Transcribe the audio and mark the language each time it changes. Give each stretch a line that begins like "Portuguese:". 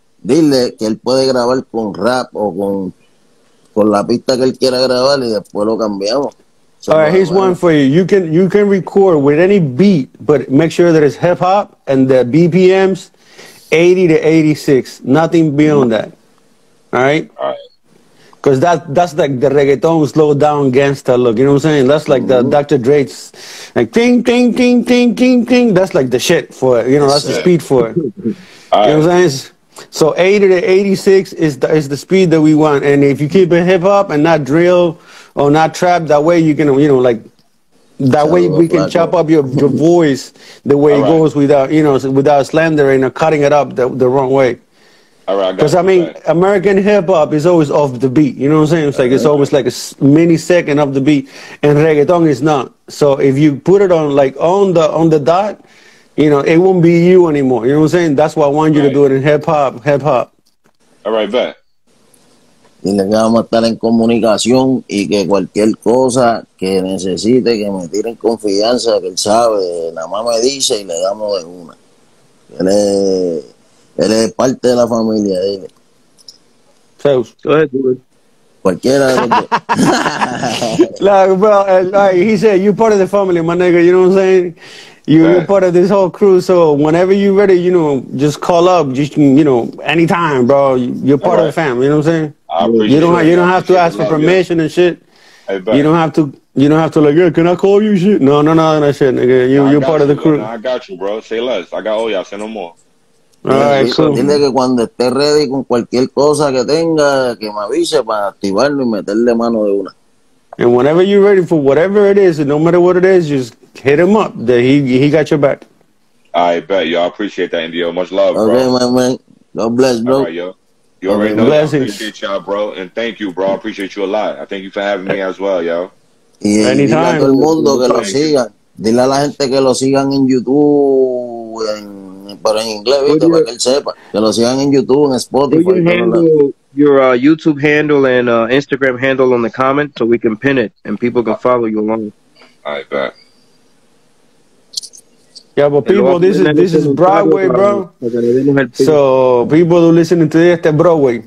Spanish: Dile que él puede grabar con rap o con la pista que él quiera grabar y después lo cambiamos.
English: All right, here's one for you. You can record with any beat, but make sure that it's hip hop and the BPMs 80 to 86. Nothing beyond that. All right. Because that's like the reggaeton slow down gangsta look. You know what I'm saying? That's like the Dr. Dre's like ting ting ting ting ting ting. That's like the shit for it. You know, that's the speed for it. All right. You know what I'm saying? So 80 to 86 is the speed that we want. And if you keep it hip hop and not drill. Oh, not trap, that way you can, you know, like, that way we can chop up your voice the way it goes without, you know, without slandering or cutting it up the wrong way. All right, because, I mean, American hip-hop is always off the beat, you know what I'm saying? It's like, it's always like a mini second off the beat, and reggaeton is not. So if you put it on, like, on the dot, you know, it won't be you anymore, you know what I'm saying? That's why I want you to do it in hip-hop. All right, bet.
Spanish: Y le vamos a estar en comunicación y que cualquier cosa que necesite, que me tire en confianza, que él sabe, nada más me dice y le damos de una. Él es parte de la familia. Zeus,
English: go ahead.
Spanish: Cualquiera.
English: Like, bro, like he said, you're part of the family, my nigga, you know what I'm saying? You're part of this whole crew, so whenever you're ready, you know, just call up, just, you know, anytime, bro. You're part of the family, you know what I'm saying? You don't have to ask for permission and shit. You don't have to like, yeah, can I call you shit? No, shit, nigga. You're part of the crew. I got you, bro. Say less. I got all y'all. Say no more. Alright, cool.
Spanish: Dile que cuando esté ready con cualquier cosa que tenga, que me avise para activarlo y meterle mano de una.
English: And whenever you're ready for whatever it is, no matter what it is, just hit him up. He got your back. I bet. Y'all appreciate that, Indio. Much love, bro. Okay, my man. God bless, bro. All right, yo. You already know. Blessings. I appreciate y'all, bro. And thank you, bro. I appreciate you a lot. I thank you for having me as well, yo.
Spanish: Anytime. Dile a todo el mundo que lo sigan. Dile a la gente que lo sigan en YouTube, pero en inglés, ¿viste? Para que él sepa. Que lo sigan en YouTube, en Spotify.
English: Put your handle, your YouTube handle and Instagram handle on the comment so we can pin it and people can follow you along. I bet. Yeah, but people, this is Broadway, bro. So, people who are listening to this,
Spanish: este es Broadway.